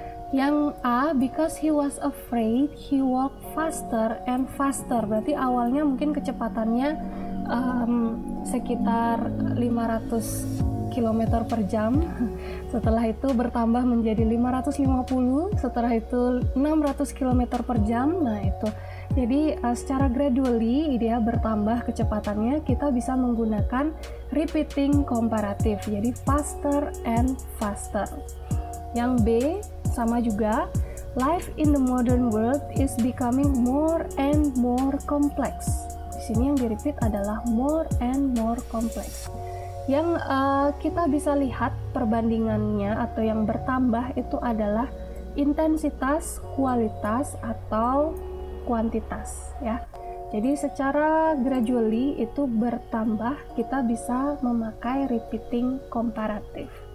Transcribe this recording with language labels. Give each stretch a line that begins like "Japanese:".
English: Yang A, because he was afraid, he walked faster and faster.
Indonesian: Berarti awalnya mungkin kecepatannya sekitar 500 km per jam, setelah itu bertambah menjadi 550, setelah itu 600 km per jam. Nah itu, jadi secara gradually dia bertambah kecepatannya, kita bisa menggunakan repeating comparative, jadi
English: faster and faster.
Indonesian: Yang B sama juga,
English: life in the modern world is becoming more and more complex.
Indonesian: Di sini yang direpeat adalah
English: more and more complex.
Indonesian: Yang kita bisa lihat perbandingannya atau yang bertambah itu adalah intensitas, kualitas atau kuantitas ya. Jadi secara gradually itu bertambah, kita bisa memakai repeating comparative.